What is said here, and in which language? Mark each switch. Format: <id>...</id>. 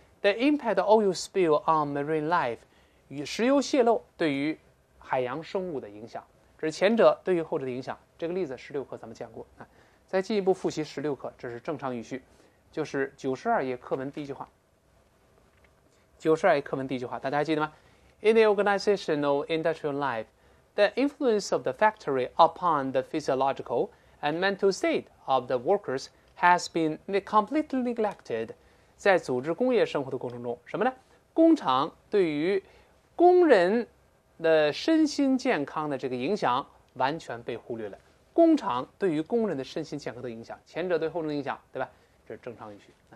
<en>The impact of oil spill on marine life，</en> <zh>与石油泄漏对于海洋生物的影响，这是前者对于后者的影响。这个例子16课咱们讲过，再进一步复习16课，这是正常语序，就是92页课文第一句话，大家还记得吗？</zh> <en>In the organizational industrial life， the influence of the factory upon the physiological and mental state of the workers has been completely neglected。</en> <zh>在组织工业生活的过程中，什么呢？工厂对于工人的身心健康的这个影响完全被忽略了。工厂对于工人的身心健康的影响，前者对后者的影响，对吧？这是正常语序。</zh>